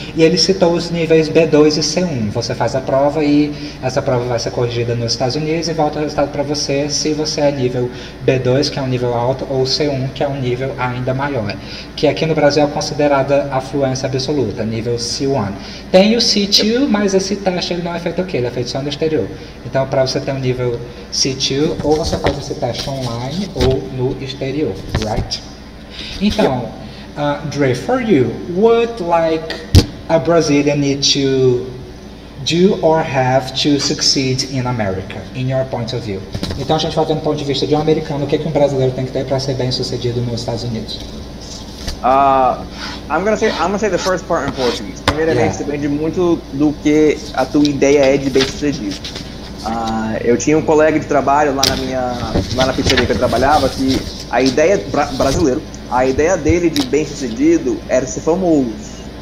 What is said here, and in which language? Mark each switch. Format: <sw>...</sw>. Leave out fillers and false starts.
<pt>E ele citou os níveis B2 e C1. Você faz a prova e essa prova vai ser corrigida nos Estados Unidos e volta o resultado para você se você é nível B2, que é um nível alto, ou C1, que é um nível ainda maior, que aqui no Brasil é considerada a fluência absoluta. Nível C1. Tem o C2, mas esse teste ele não é feito aqui, ele é feito só no exterior. Então, para você ter um nível C2, ou você faz esse teste online ou no exterior, right?</pt> <en>Então, Dre, for you, what like a Brazilian need to do or have to succeed in America, in your point of view?</en> <pt>Então, a gente vai ter um ponto de vista de um americano, o que, que um brasileiro tem que ter para ser bem sucedido nos Estados Unidos?</pt> <en>I'm gonna say the first part in Portuguese.</en> <pt>Primeiramente, depende muito do que a tua ideia é de bem sucedido. Eu tinha um colega de trabalho lá na pizzeria que eu trabalhava, que a ideia brasileiro, a ideia dele de bem sucedido era ser famoso.</pt>